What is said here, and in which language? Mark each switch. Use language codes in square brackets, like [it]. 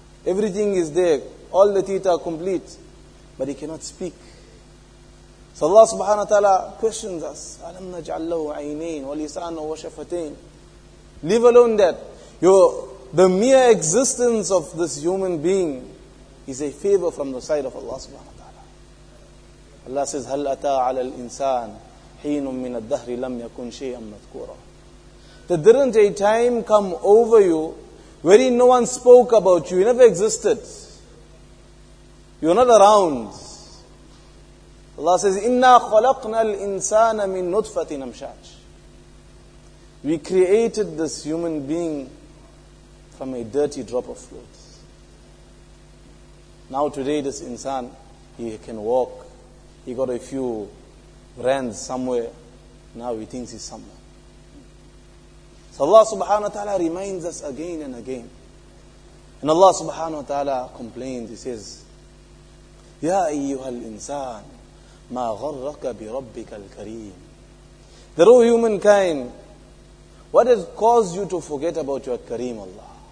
[en] Everything is there, all the teeth are complete, but he cannot speak. So Allah subhanahu wa ta'ala questions us, [ar] أَلَمْ نَجْعَلْ لَهُ عَيْنَيْنِ وَلِسَانُ وَشَفَتَيْنِ. [en] Leave alone that, the mere existence of this human being is a favor from the side of Allah subhanahu wa ta'ala. Allah says, [ar] هَلْ أَتَىٰ عَلَى الْإِنسَانِ حِينٌ مِّنَ الدَّهْرِ لَمْ يَكُنْ شَيْئًا مَذْكُورًا. [en] That didn't a time come over you wherein no one spoke about you, you never existed. You're not around. Allah says, [ar] إِنَّا خَلَقْنَا الْإِنسَانَ مِنْ نُطْفَةٍ أَمْشَاجٍ. [en] We created this human being from a dirty drop of blood. Now today this insan, he can walk. He got a few rands somewhere. Now he thinks he's somewhere. So Allah subhanahu wa ta'ala reminds us again and again. And Allah subhanahu wa ta'ala complains. He says, [ar] يَا أَيُّهَا الْإِنسَانِ مَا غَرَّكَ بِرَبِّكَ الْكَرِيمِ. [en] That, O humankind, what has caused you to forget about your Kareem Allah?